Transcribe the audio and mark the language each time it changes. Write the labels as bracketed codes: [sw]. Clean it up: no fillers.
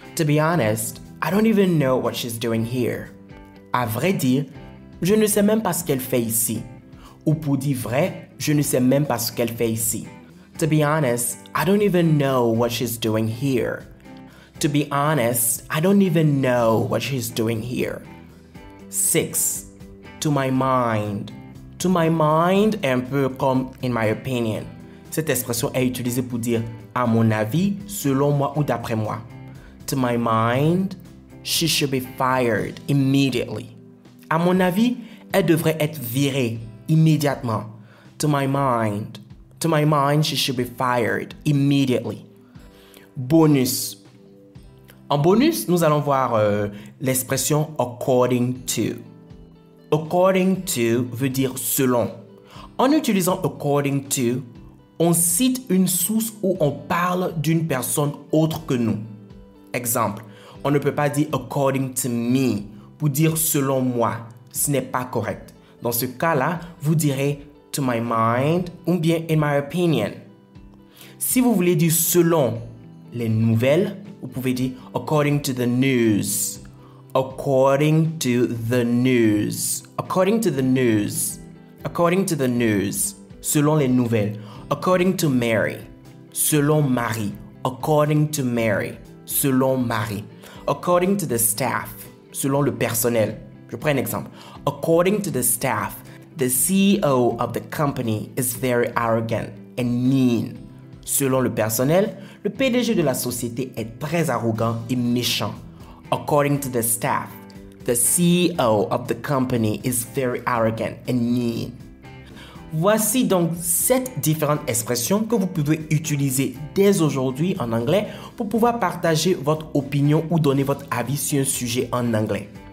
[en] To be honest, I don't even know what she's doing here. [fr] À vrai dire, je ne sais même pas ce qu'elle fait ici. Ou pour dire vrai, je ne sais même pas ce qu'elle fait ici. [en] To be honest, I don't even know what she's doing here. To be honest, I don't even know what she's doing here. 6. To my mind. To my mind [fr] est un peu comme [en] in my opinion. [fr] Cette expression est utilisée pour dire à mon avis, selon moi ou d'après moi. [en] To my mind, she should be fired immediately. [fr] À mon avis, elle devrait être virée immédiatement. [en] To my mind. To my mind, she should be fired immediately. [fr] Bonus. En bonus, nous allons voir l'expression [en] according to. According to [fr] veut dire selon. En utilisant according to, on cite une source où on parle d'une personne autre que nous. Exemple, on ne peut pas dire [en] according to me [fr] pour dire « selon moi », ce n'est pas correct. Dans ce cas-là, vous direz « [en] to my mind [fr] » ou bien « [en] in my opinion ». [fr] Si vous voulez dire « selon les nouvelles », vous pouvez dire « [en] according to the news ». According to the news. According to the news. According to the news. [fr] Selon les nouvelles. [en] According to Mary. [fr] Selon Marie. [en] According to Mary. [fr] Selon Marie. [en] According to the staff. [fr] Selon le personnel. Je prends un exemple. [en] According to the staff, the CEO of the company is very arrogant and mean. [fr] Selon le personnel, le PDG de la société est très arrogant et méchant. [en] According to the staff, the CEO of the company is very arrogant and mean. [fr] Voici donc 7 différentes expressions que vous pouvez utiliser dès aujourd'hui en anglais pour pouvoir partager votre opinion ou donner votre avis sur un sujet en anglais.